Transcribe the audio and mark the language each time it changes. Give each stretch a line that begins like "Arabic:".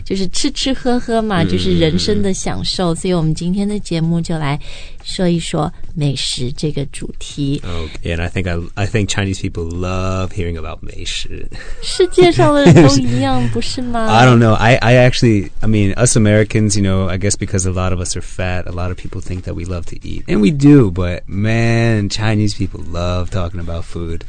Chinese: 就是吃吃喝喝嘛，就是人生的享受。所以我们今天的节目就来说一说美食这个主题。
English: Okay, and I think Chinese people love hearing about 美食。
Chinese: 世界上的人都一样，不是吗
English: ？I don't know. I mean, us Americans, you know, I guess because a lot of us are fat, a lot of people think that we love to eat, and we do. But man, Chinese people love talking about food.